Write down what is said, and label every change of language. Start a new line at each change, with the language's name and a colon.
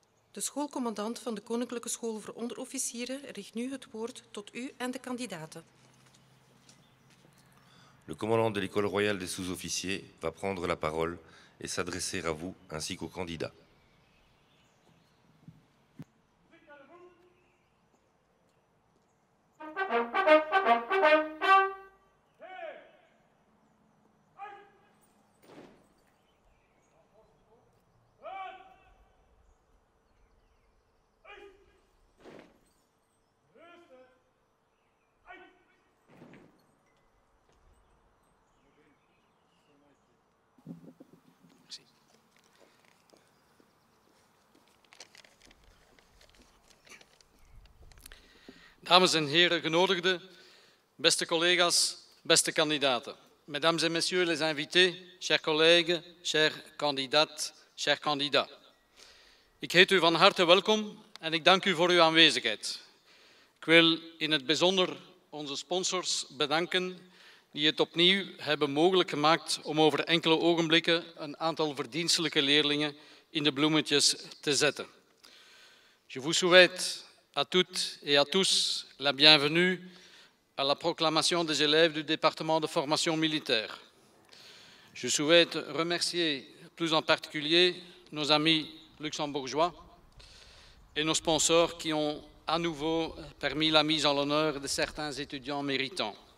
Dutch: De schoolcommandant van de Koninklijke School voor Onderofficieren richt nu het woord tot u en de kandidaten.
French: Le commandant de l'école royale des sous-officiers va prendre la parole et s'adresser à vous ainsi qu'aux candidats.
Dutch: Dames en heren, genodigden, beste collega's, beste kandidaten.
French: Mesdames et messieurs les invités, chers collègues, chers candidates, chers candidats.
Dutch: Ik heet u van harte welkom en ik dank u voor uw aanwezigheid. Ik wil in het bijzonder onze sponsors bedanken die het opnieuw hebben mogelijk gemaakt om over enkele ogenblikken een aantal verdienstelijke leerlingen in de bloemetjes te zetten.
French: Je vous souhaite à toutes et à tous la bienvenue à la proclamation des élèves du département de formation militaire. Je souhaite remercier plus en particulier nos amis luxembourgeois et nos sponsors qui ont à nouveau permis la mise en l'honneur de certains étudiants méritants.